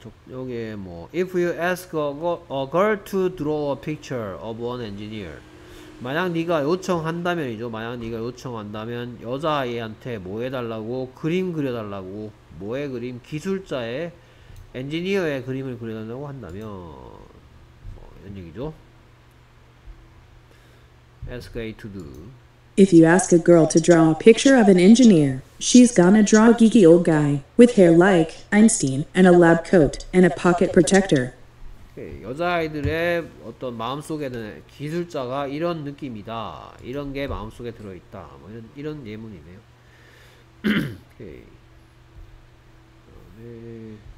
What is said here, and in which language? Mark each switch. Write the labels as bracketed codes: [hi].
[en] 여기 뭐 if you ask a girl to draw a picture of an engineer 만약 네가 요청한다면이죠. [ko] 만약 네가 요청한다면 여자애한테 뭐 해달라고 그림 그려달라고 뭐의 그림 기술자의 엔지니어의 그림을 그려달라고 한다면 뭐 이런 얘기죠. [en] Ask A to do. If you ask a girl to draw a picture of an engineer, she's gonna draw a geeky old guy with hair like Einstein and a lab coat and a pocket protector. [ko] 여자아이들의 어떤 마음속에는 기술자가 이런 느낌이다. 이런 게 마음속에 들어있다. 뭐 이런 예문이네요. 오케이.